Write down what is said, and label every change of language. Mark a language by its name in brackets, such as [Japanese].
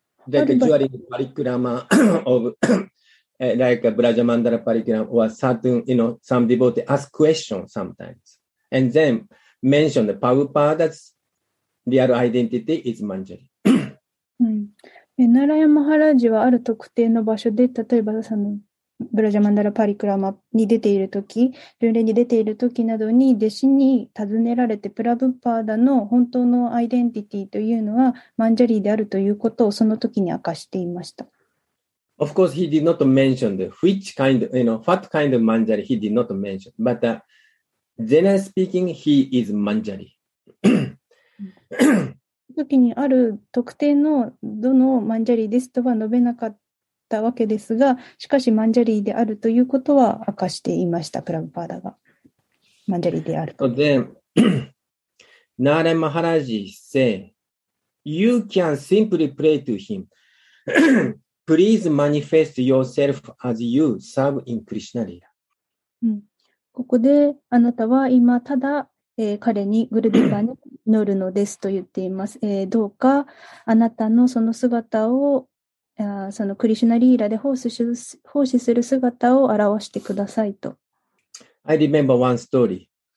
[English] like, during the parikrama of, like, a Brajamandala parikrama or certain, you know, some devotee ask questions sometimes. And then,Mention the Prabhupada's real identity is Manjari. [Japanese] Narayan Maharaj はある特定の場所で、例えばそのブラジャマンダラパリクラマに出ているとき、巡礼に出ているときなどに弟子に尋ねられて、プラブパーダの本当のアイデンティティというのはマンジャリであるということをその時に明かしていました。 [English] Of course, he did not mention the which kind, you know, what kind of Manjari he did not mention, but. Generally speaking, he is Manjari. [Japanese] 時にある特定のどのマンジャリですとは述べなかったわけですが、しかしマンジャリであるということは明かしていました。プラブパーダがマンジャリであると。 [English] Then, Narayan Maharaj said, "You can simply pray to him. Please manifest yourself as you serve in Krishna Lila." [Japanese] ここであなたは今ただ、彼にグルデバに祈るのですと言っています。どうかあなたのその姿をそのクリシュナリーラで奉仕する姿を表してくださいと。 [English] I remember one story.